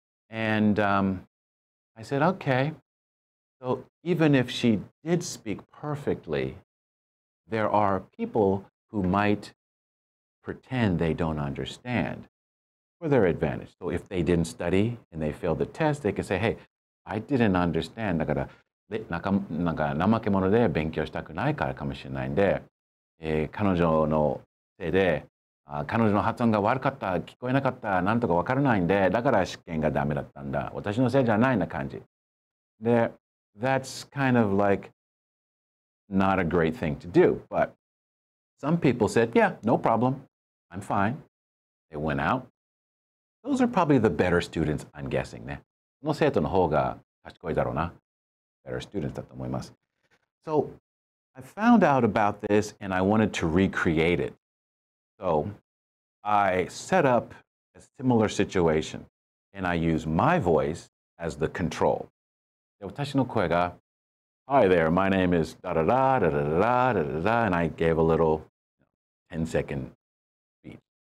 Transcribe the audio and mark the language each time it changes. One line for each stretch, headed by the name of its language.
English: And I said, okay. So even if she did speak perfectly, there are people who might pretend they don't understand for their advantage. So if they didn't study and they failed the test, they could say, hey, I didn't understand.
Japanese: だから、なんか怠け者で勉強したくないからかもしれないんで、彼女のせいで、彼女の発音が悪かった、聞こえなかった、なんとかわからないんで、だから試験がダメだったんだ。私のせいじゃないな感じ。で、
English: That's kind of like not a great thing to do. But some people said, yeah, no problem. I'm fine. They went out. Those are probably the better students, I'm guessing.
Japanese: ね。その生徒の方が賢いだろうな。
English: Better students
Japanese: だと思います。
English: So I found out about this and I wanted to recreate it. So I set up a similar situation and I use my voice as the control.
Japanese: 私の声が、
English: Hi there, my name is da da da da da da da da da, and I gave a little 10-second speech.